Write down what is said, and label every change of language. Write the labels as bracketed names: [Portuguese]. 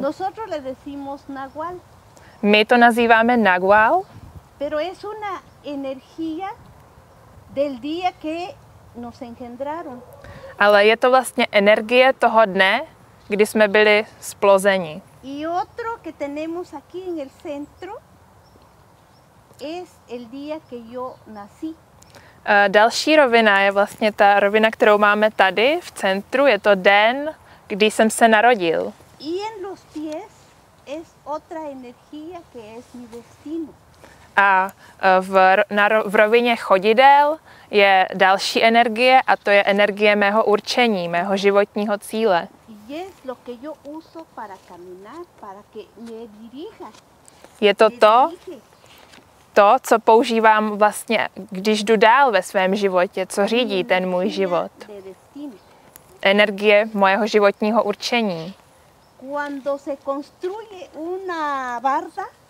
[Spanish] Nosotros le decimos nahual. [Czech] My to nazýváme nahual. [Spanish] Pero es una energía del día que nos engendraron. [Czech] Ale je to vlastně energie toho dne, kdy jsme byli splozeni. [Spanish] Y otro que tenemos aquí en el centro es el día que yo nací. [Czech] Další rovina je vlastně ta rovina, kterou máme tady v centru. Je to den, kdy jsem se narodil. [Spanish] los pies es otra energía que es mi destino. [Czech] A v rovině chodidel je další energie a to je energie mého určení, mého životního cíle. [Spanish] Es lo que yo uso para caminar, para que me dirija. [Czech] Je to to, co používám vlastně, když jdu dál ve svém životě, co řídí ten můj život. Energie mojeho životního určení. [Spanish] Cuando se construye una barda.